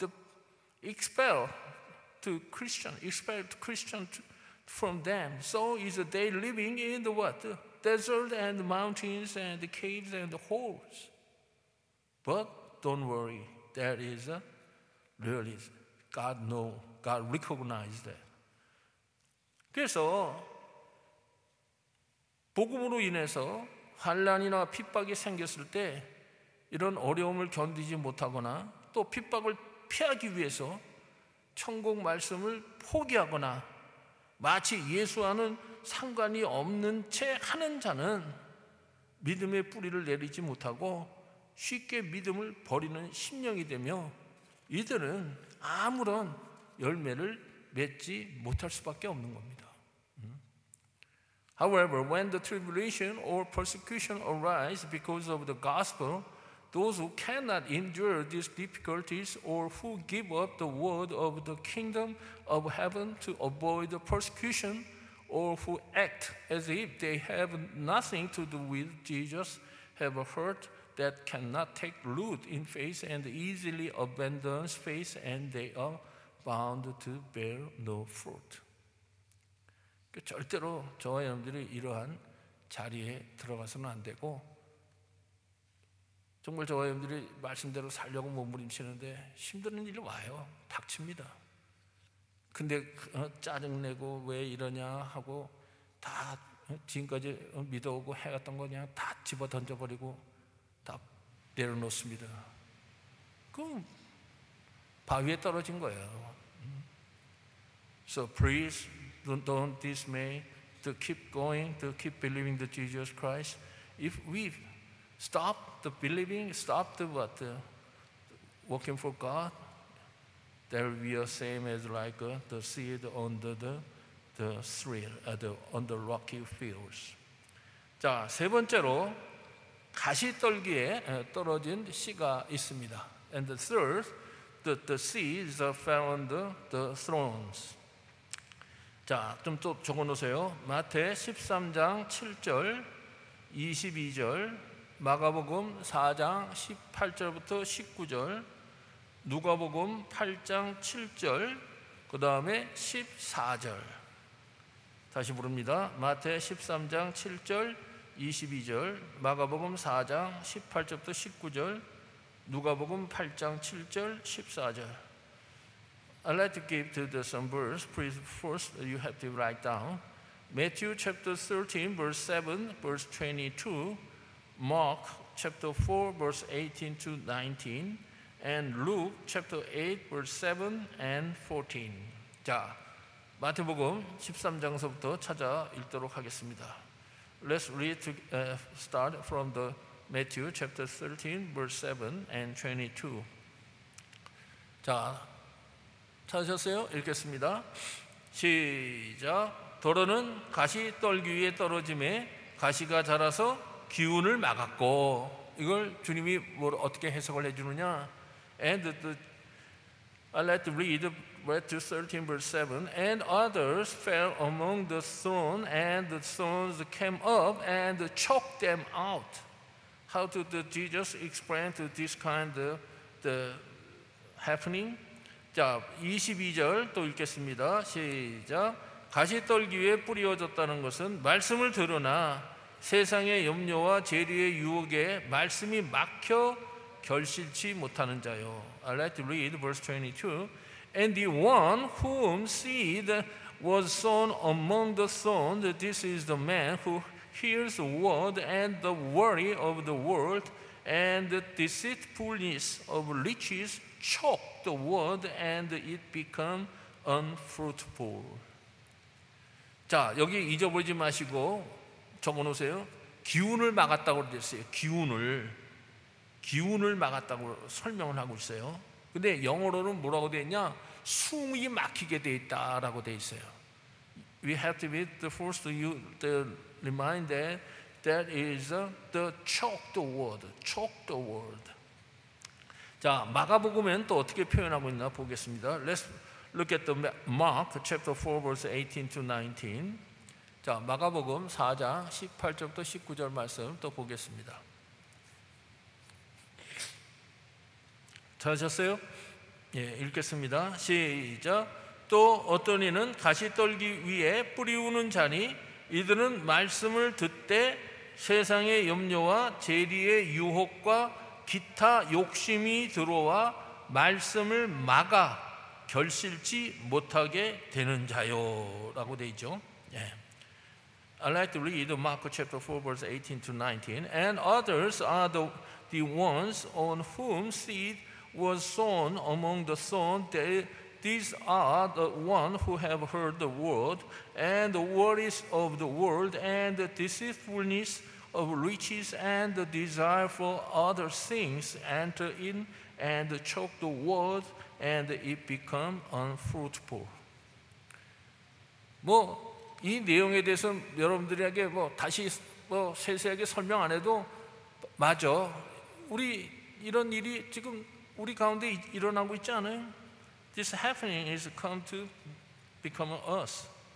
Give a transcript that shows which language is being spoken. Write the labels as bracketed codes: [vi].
[en] The expel. To Christian, expect Christian from them. So is they living in the what? The desert and the mountains and the caves and the holes. But don't worry, that is really God know, God recognize that. [ko] 그래서 복음으로 인해서 환난이나 핍박이 생겼을 때 이런 어려움을 견디지 못하거나 또 핍박을 피하기 위해서 천국 말씀을 포기하거나 마치 예수와는 상관이 없는 채 하는 자는 믿음의 뿌리를 내리지 못하고 쉽게 믿음을 버리는 심령이 되며 이들은 아무런 열매를 맺지 못할 수밖에 없는 겁니다. [en] However, when the tribulation or persecution arise because of the gospel, those who cannot endure these difficulties or who give up the word of the kingdom of heaven to avoid the persecution or who act as if they have nothing to do with Jesus have a heart that cannot take root in faith and easily abandons faith and they are bound to bear no fruit. [ko] 절대로 저와 여러분들이 이러한 자리에 들어가서는 안 되고 정말 저와 여러분들이 말씀대로 살려고 몸부림치는데 힘든 일이 와요. 닥칩니다. 근데 짜증내고 왜 이러냐 하고 다 지금까지 믿어오고 해왔던 거 그냥 다 집어 던져버리고 다 내려놓습니다. 그럼 바위에 떨어진 거예요. [en] So please don't dismay to keep going, to keep believing the Jesus Christ. If we stop the believing, stop the what? Working for God, there will be the same as like the seed under the thrill, on the rocky fields. [ko] 자, 세 번째로 가시떨기에 떨어진 씨가 있습니다. [en] And the third, the seeds fell on the thorns. [ko] 자, 좀 또 적어놓으세요. 마태 13장 7절, 22절, 마가복음 4장 18절부터 19절, 누가복음 8장 7절, 그 다음에 14절. 다시 부릅니다. 마태 13장 7절, 22절, 마가복음 4장 18절부터 19절, 누가복음 8장 7절, 14절. [en] I'd like to give to some verse. Please, first, you have to write down. Matthew chapter 13, verse 7, verse 22. Mark chapter 4, verse 18 to 19. And Luke chapter 8, verse 7 and 14. [ko] 자, 마태복음 13장서부터 찾아 읽도록 하겠습니다. [en] Let's read to start from the Matthew chapter 13, verse 7 and 22. [ko] 자, 찾으셨어요? 읽겠습니다. 시작. 도로는 가시 떨기 위에 떨어짐에 가시가 자라서 기운을 막았고, 이걸 주님이 뭘 어떻게 해석을 해주느냐? [en] And I'd like to read read to 13 verse 7, and others fell among the stones, and the stones came up and choked them out. How did Jesus explain to this kind of the happening? [ko] 자, 22절 또 읽겠습니다. 시작. 가시떨기 위에 뿌리어졌다는 것은 말씀을 들으나 세상의 염려와 재리의 유혹에 말씀이 막혀 결실치 못하는 자요. [en] I'd like to read verse 22. And the one whom seed was sown among the thorns, this is the man who hears the word and the worry of the world and the deceitfulness of riches choke the word and it become unfruitful. [ko] 자, 여기 잊어버리지 마시고 적어놓으세요. 기운을 막았다고 그랬어요. 기운을 막았다고 설명을 하고 있어요. 근데 영어로는 뭐라고 되었냐? 숨이 막히게 되어있다라고 되어있어요. [en] We have to be the first to remind that that is the choked word. Choked word. [ko] 자, 마가복음엔 또 어떻게 표현하고 있나 보겠습니다. [en] Let's look at the Mark chapter 4 verse 18 to 19. [ko] 자, 마가복음 4장 18절부터 19절 말씀 또 보겠습니다. 찾으셨어요? 예, 읽겠습니다. 시작. 또 어떤 이는 가시떨기 위에 뿌리우는 자니 이들은 말씀을 듣되 세상의 염려와 재리의 유혹과 기타 욕심이 들어와 말씀을 막아 결실치 못하게 되는 자요 라고 되어 있죠. 예. [en] I like to read Mark chapter 4 verse 18 to 19. And others are the ones on whom seed was sown among the thorns. These are the ones who have heard the word and the worries of the world and the deceitfulness of riches and the desire for other things enter in and choke the word and it become unfruitful. [ko] 뭐 이 내용에 대해서 여러분들에게 뭐 다시 뭐 세세하게 설명 안 해도 맞아. 우리 이런 일이 지금 우리 가운데 일어나고 있지 않아요? [en] This happening is come to become us.